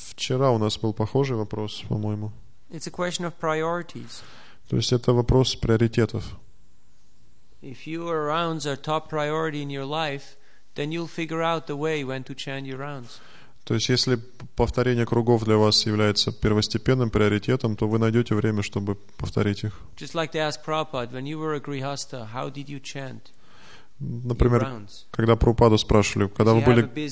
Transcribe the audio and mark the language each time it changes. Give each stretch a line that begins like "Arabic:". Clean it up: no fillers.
Russian: Вчера у нас был похожий вопрос, по-моему.
English: It's a question of priorities.
Russian: То есть это вопрос приоритетов.
English: If your rounds are top priority in your life, then you'll figure out the way when to chant your rounds.
Russian: То есть, если повторение кругов для вас является первостепенным приоритетом, то вы найдете время, чтобы повторить их.
English: Just like they ask Prabhupada, when you were a grihastha, how did you chant?
Russian: Например, когда Прабхупаду спрашивали, когда вы были...